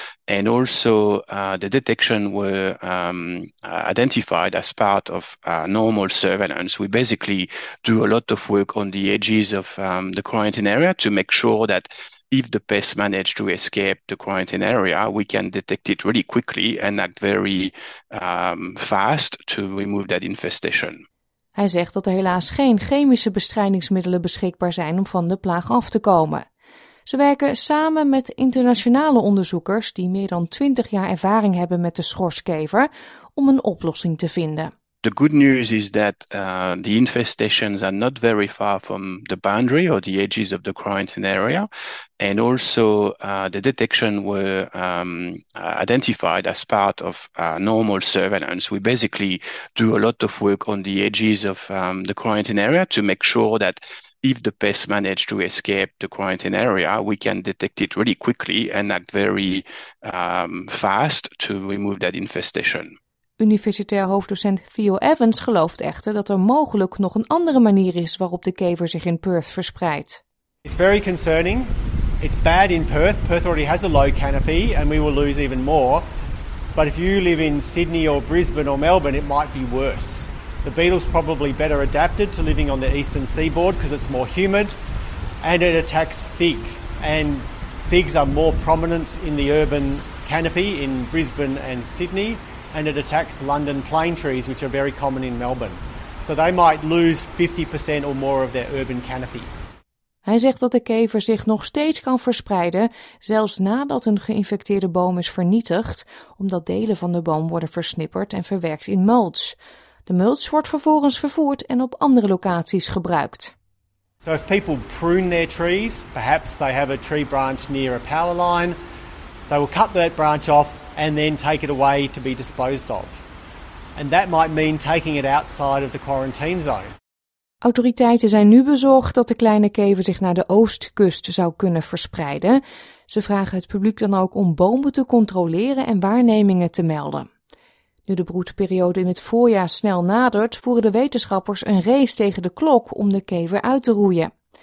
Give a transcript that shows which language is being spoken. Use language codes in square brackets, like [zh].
[en] And also the detection were identified as part of normal surveillance. We basically do a lot of work on the edges of the quarantine area to make sure that if the pests manage to escape the quarantine area, we can detect it really quickly and act very fast to remove that infestation. [nl] Hij zegt dat er helaas geen chemische bestrijdingsmiddelen beschikbaar zijn om van de plaag af te komen. Ze werken samen met internationale onderzoekers die meer dan 20 jaar ervaring hebben met de schorskever om een oplossing te vinden. [en] The good news is that the infestations are not very far from the boundary or the edges of the quarantine area. And also the detection were identified as part of normal surveillance. We basically do a lot of work on the edges of the quarantine area to make sure that if the pests manage to escape the quarantine area, we can detect it really quickly and act very fast to remove that infestation. [nl] Universitair hoofddocent Theo Evans gelooft echter dat er mogelijk nog een andere manier is waarop de kever zich in Perth verspreidt. [en] It's very concerning. It's bad in Perth. Perth already has a low canopy and we will lose even more. But if you live in Sydney or Brisbane or Melbourne, it might be worse. The beetle's probably better adapted to living on the eastern seaboard because it's more humid and it attacks figs. And figs are more prominent in the urban canopy in Brisbane and Sydney. And it attacks London plane trees, which are very common in Melbourne. So they might lose 50% or more of their urban canopy. [nl] Hij zegt dat de kever zich nog steeds kan verspreiden, zelfs nadat een geïnfecteerde boom is vernietigd, omdat delen van de boom worden versnipperd en verwerkt in mulch. De mulch wordt vervolgens vervoerd en op andere locaties gebruikt. [en] So if people prune their trees, perhaps they have a tree branch near a power line, they will cut that branch off and then take it away to be disposed of. And that might mean taking it outside of the quarantine zone. [nl] Autoriteiten zijn nu bezorgd dat de kleine kever zich naar de oostkust zou kunnen verspreiden. Ze vragen het publiek dan ook om bomen te controleren en waarnemingen te melden. Nu de broedperiode in het voorjaar snel nadert, voeren de wetenschappers een race tegen de klok om de kever uit te roeien.